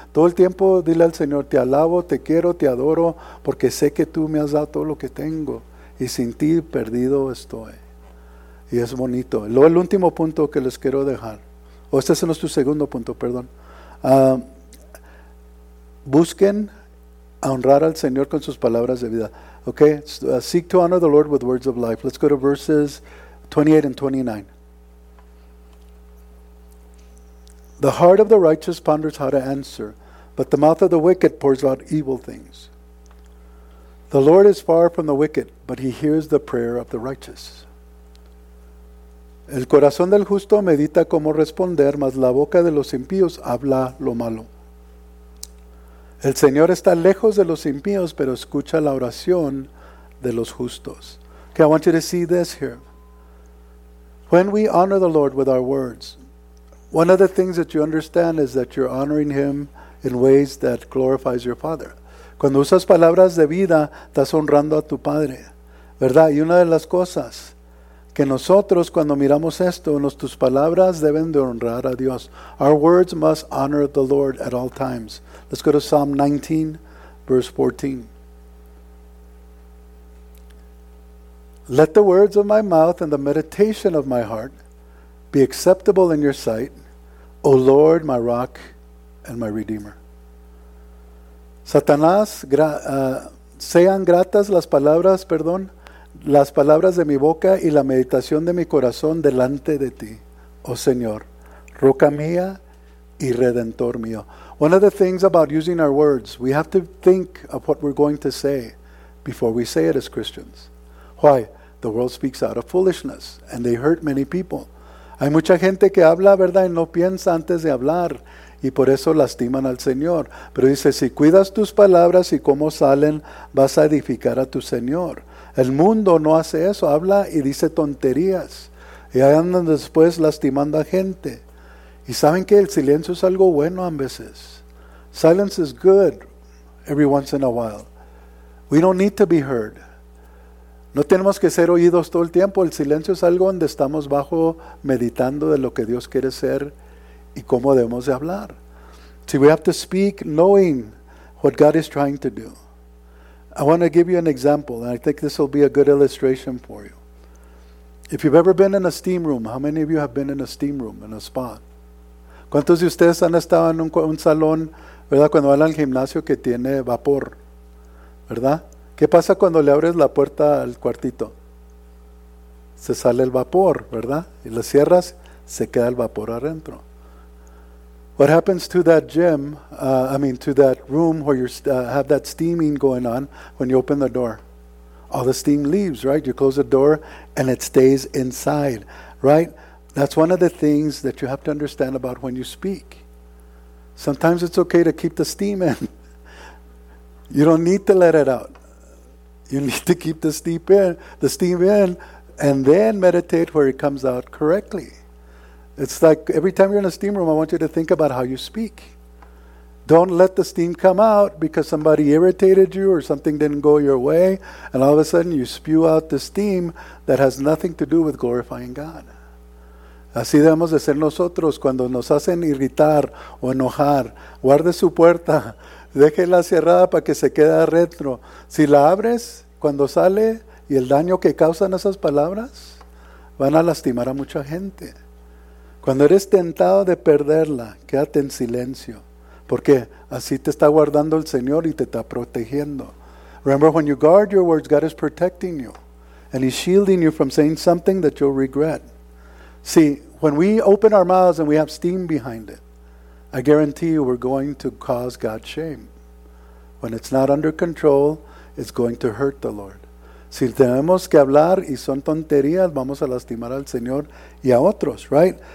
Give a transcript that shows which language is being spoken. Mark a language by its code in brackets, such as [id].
[es] Todo el tiempo dile al Señor, te alabo, te quiero, te adoro, porque sé que tú me has dado todo lo que tengo. Y sin ti perdido estoy. Y es bonito. Luego el último punto que les quiero dejar. Este es nuestro segundo punto, perdón. Busquen a honrar al Señor con sus palabras de vida. [en] Okay, so, seek to honor the Lord with words of life. Let's go to verses 28 and 29. The heart of the righteous ponders how to answer, but the mouth of the wicked pours out evil things. The Lord is far from the wicked, but He hears the prayer of the righteous. [es] El corazón del justo medita cómo responder, mas la boca de los impíos habla lo malo. El Señor está lejos de los impíos, pero escucha la oración de los justos. [en] Okay, I want you to see this here. When we honor the Lord with our words, one of the things that you understand is that you're honoring Him in ways that glorifies your Father. [es] Cuando usas palabras de vida, estás honrando a tu Padre. ¿Verdad? Y una de las cosas que nosotros, cuando miramos esto, tus palabras deben de honrar a Dios. [en] Our words must honor the Lord at all times. Let's go to Psalm 19, verse 14. Let the words of my mouth and the meditation of my heart be acceptable in your sight, O Lord, my rock and my redeemer. [es] Satanás, sean gratas las palabras de mi boca y la meditación de mi corazón delante de ti, oh Señor, roca mía y redentor mío. [en] One of the things about using our words, we have to think of what we're going to say before we say it as Christians. Why? The world speaks out of foolishness and they hurt many people. [es] Hay mucha gente que habla, ¿verdad?, y no piensa antes de hablar, y por eso lastiman al Señor. Pero dice, si cuidas tus palabras y cómo salen, vas a edificar a tu Señor. El mundo no hace eso, habla y dice tonterías, y ahí andan después lastimando a gente. Y saben que el silencio es algo bueno a veces. [en] Silence is good every once in a while. We don't need to be heard. [es] No tenemos que ser oídos todo el tiempo. El silencio es algo donde estamos bajo meditando de lo que Dios quiere ser y cómo debemos de hablar. [en] See, we have to speak knowing what God is trying to do. I want to give you an example, and I think this will be a good illustration for you. If you've ever been in a steam room, how many of you have been in a steam room, in a spa? [es] ¿Cuántos de ustedes han estado en un salón, verdad, cuando van al gimnasio que tiene vapor, verdad? ¿Qué pasa cuando le abres la puerta al cuartito? Se sale el vapor, ¿verdad? Y lo cierras, se queda el vapor adentro. [en] What happens to that gym, to that room where you have that steaming going on when you open the door? All the steam leaves, right? You close the door and it stays inside, right? That's one of the things that you have to understand about when you speak. Sometimes it's okay to keep the steam in. You don't need to let it out. You need to keep the steam in, and then meditate where it comes out correctly. It's like every time you're in a steam room, I want you to think about how you speak. Don't let the steam come out because somebody irritated you or something didn't go your way, and all of a sudden you spew out the steam that has nothing to do with glorifying God. [es] Así debemos de ser nosotros cuando nos hacen irritar o enojar. Guarde su puerta, déjela cerrada para que se quede retro. Si la abres, cuando sale y el daño que causan esas palabras, van a lastimar a mucha gente. Cuando eres tentado de perderla, quédate en silencio. Porque así te está guardando el Señor y te está protegiendo. [en] Remember, when you guard your words, God is protecting you. And he's shielding you from saying something that you'll regret. See, when we open our mouths and we have steam behind it, I guarantee you we're going to cause God shame. When it's not under control, it's going to hurt the Lord. [es] Si tenemos que hablar y son tonterías, vamos a lastimar al Señor y a otros, right?